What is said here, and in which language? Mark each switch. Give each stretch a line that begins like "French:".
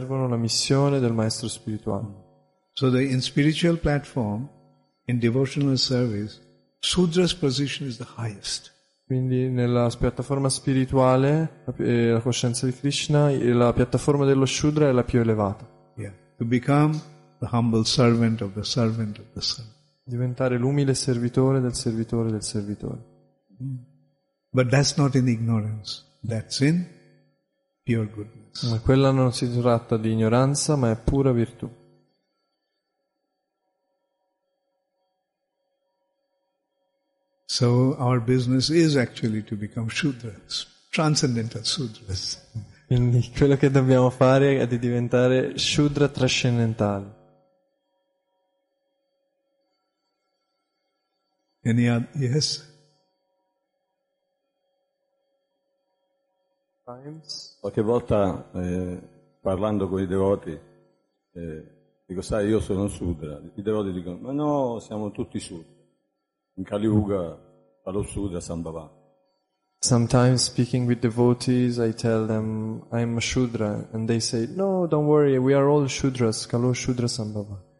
Italian: Servono la missione del maestro spirituale.
English: So, in spiritual platform, in devotional service, sudra's position is the highest.
Italian: Quindi nella piattaforma spirituale, la coscienza di Krishna, la piattaforma dello Shudra è la più elevata.
English: Yeah. To become the humble servant of the servant of the servant.
Italian: Diventare l'umile servitore del servitore del servitore. Mm.
English: But that's not in ignorance, that's in pure goodness.
Italian: Ma quella non si tratta di ignoranza, ma è pura virtù.
English: So our business is actually to become shudras, transcendental shudras.
Italian: Quindi quello che dobbiamo fare è di diventare shudra trascendentale.
English: Any other? Yes. Times.
Italian: Qualche volta parlando con i devoti dico sai io sono un shudra. I devoti dicono ma no siamo tutti shudra. In Kali Yuga allo Shudra Sambhava.
English: Sometimes speaking with devotees, I tell them I'm a Shudra, and they say, "No, don't worry, we are all Shudras,
Sanskrit: Kalo Shudra Sambhava."